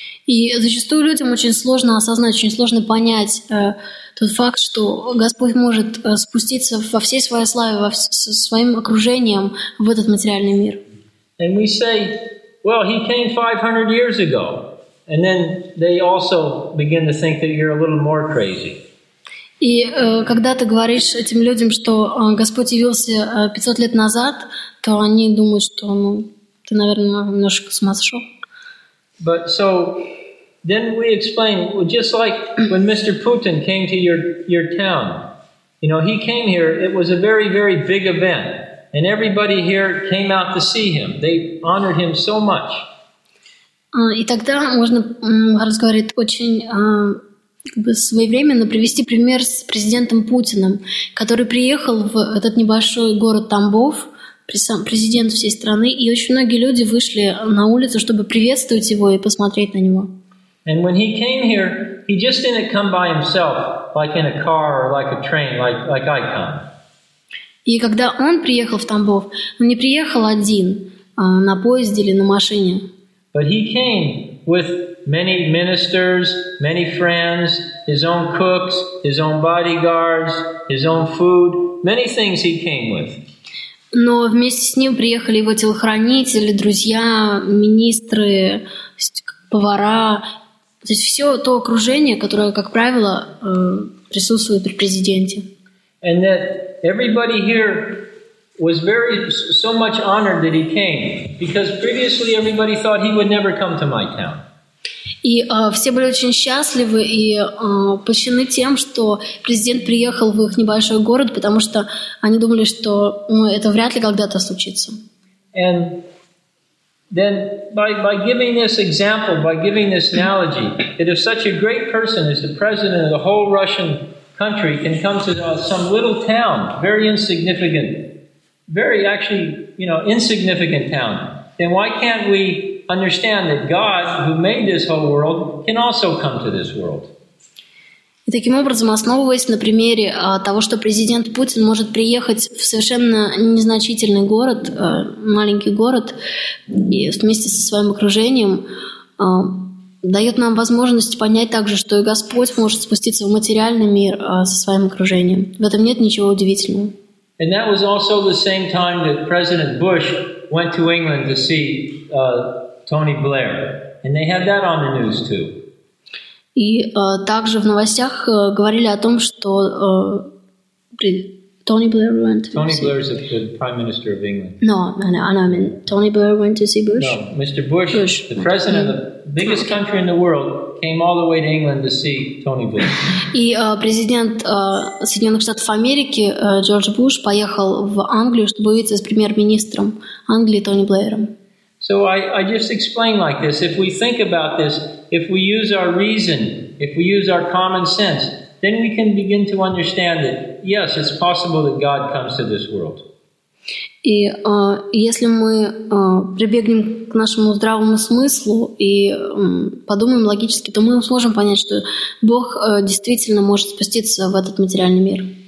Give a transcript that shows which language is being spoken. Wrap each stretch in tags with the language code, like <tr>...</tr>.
<ru>И зачастую людям очень сложно осознать, очень сложно понять тот факт, что Господь может спуститься во всей своей славе, со своим окружением в этот материальный мир.</ru> <en>And we say, well, he came 500 years ago. And then they also begin to think that you're a little more crazy.</en> <ru>И когда ты говоришь этим людям, что Господь явился 500 лет назад, то они думают, что ну, ты, наверное, немножко с ума сошел.</ru> <en>But so then we explain, just like when Mr. Putin came to your town, you know, he came here, it was a very, very big event, and everybody here came out to see him. They honored him so much.</en> <ru>И тогда можно разговаривать очень как бы своевременно привести пример с президентом Путиным, который приехал в этот небольшой город Тамбов. Президент всей страны, и очень многие люди вышли на улицу, чтобы приветствовать его и посмотреть на него.</ru> <en>And when he came here, he just didn't come by himself, like in a car or like a train, like I come.</en> <ru>И когда он приехал в Тамбов, он не приехал один, на поезде или на машине.</ru> <en>But he came with many ministers, many friends, his own cooks, his own bodyguards, his own food, many things he came with.</en> <ru>Но вместе с ним приехали его телохранители, друзья, министры, повара. То есть все то окружение, которое, как правило, присутствует при президенте.</ru> <en>And that everybody here was very, so much honored that he came. Because previously everybody thought he would never come to my town.</en> <ru>И все были очень счастливы и польщены тем, что президент приехал в их небольшой город, потому что они думали, что это вряд ли когда-то случится.</ru> <en>And then by giving this example, by giving this analogy, that if such a great person as the president of the whole Russian country can come to some little town, very insignificant, very actually, you know, insignificant town, then why can't we understand that God, who made this whole world, can also come to this world.</en> <ru>И таким образом, основываясь на примере того, что президент Путин может приехать в совершенно незначительный город, маленький город, и вместе со своим окружением, дает нам возможность понять также, что и Господь может спуститься в материальный мир со своим окружением. В этом нет ничего удивительного.</ru> <en>And that was also the same time that President Bush went to England to see Tony Blair, and they had that on the news too.</en> <ru>И также в новостях говорили о том, что</ru> <en>Tony Blair went. Tony Blair is the Prime Minister of England. No, I mean Tony Blair went to see Bush. No, Mr. Bush, Bush the president of the biggest country in the world, came all the way to England to see Tony Blair.</en> <ru>И президент Соединенных Штатов Америки Джордж Буш поехал в Англию, чтобы увидеться с премьер-министром Англии Тони Блэром.</ru> <en>So I just explain like this. If we think about this, if we use our reason, if we use our common sense, then we can begin to understand that, yes, it's possible that God comes to this world.</en> <ru>И если мы прибегнем к нашему здравому смыслу и подумаем логически, то мы сможем понять, что Бог действительно может спуститься в этот материальный мир.</ru>